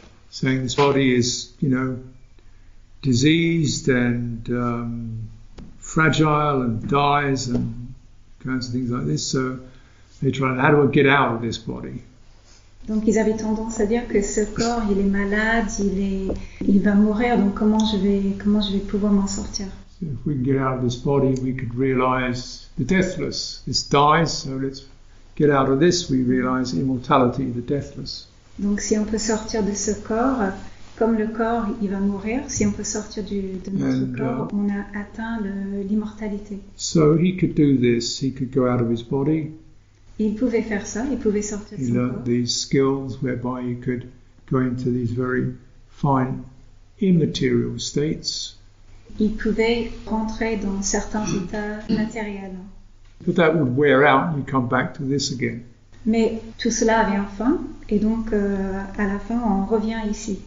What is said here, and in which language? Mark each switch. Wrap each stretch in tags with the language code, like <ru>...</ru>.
<en>Saying this body is, you know, diseased and fragile and dies and kinds of things like this. So they try, how do we get out of this body?</en> <fr>Donc ils avaient tendance à dire que ce corps, il est malade, il va mourir. Donc comment je vais pouvoir m'en sortir?</fr> <en>If we can get out of this body, we could realize the deathless. This dies, so let's get out of this. We realize immortality, the deathless.</en> <fr>Donc, si on peut sortir de ce corps, comme le corps, il va mourir. Si on peut sortir de notre corps, on a atteint l'immortalité.</fr> <en>So he could do this. He could go out of his body.</en> <fr>Il pouvait faire ça. Il pouvait sortir de son corps.</fr> <en>He learned these skills whereby he could go into these very fine immaterial states.</en> <fr>Il pouvait rentrer dans certains états matériels.</fr> <en>But that would wear out and you come back to this again.</en> <fr>Mais tout cela avait une fin, et donc à la fin on revient ici.</fr>